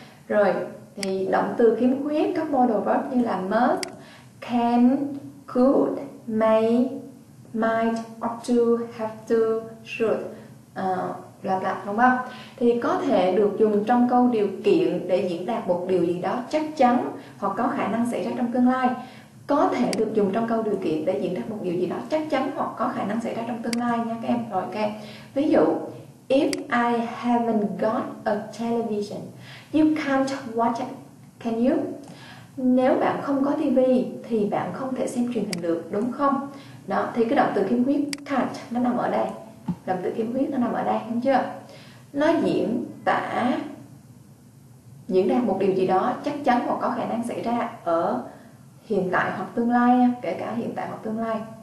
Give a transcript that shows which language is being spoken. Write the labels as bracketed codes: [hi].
[vi] Rồi, thì động từ khiếm khuyết, các modal verbs như là must, can, could, may, might, ought to, have to, should, loạt loạt đúng không? Thì có thể được dùng trong câu điều kiện để diễn đạt một điều gì đó chắc chắn hoặc có khả năng xảy ra trong tương lai. Có thể được dùng trong câu điều kiện để diễn đạt một điều gì đó chắc chắn hoặc có khả năng xảy ra trong tương lai nha các em. Rồi các em. Ví dụ, [en] if I haven't got a television, you can't watch it, can you? [vi] Nếu bạn không có TV thì bạn không thể xem truyền hình được, đúng không? Đó, thì cái động từ khiếm khuyết can't nó nằm ở đây. Động từ khiếm khuyết nó nằm ở đây, đúng chưa? Nó diễn tả, diễn ra một điều gì đó chắc chắn hoặc có khả năng xảy ra ở hiện tại hoặc tương lai, kể cả hiện tại hoặc tương lai.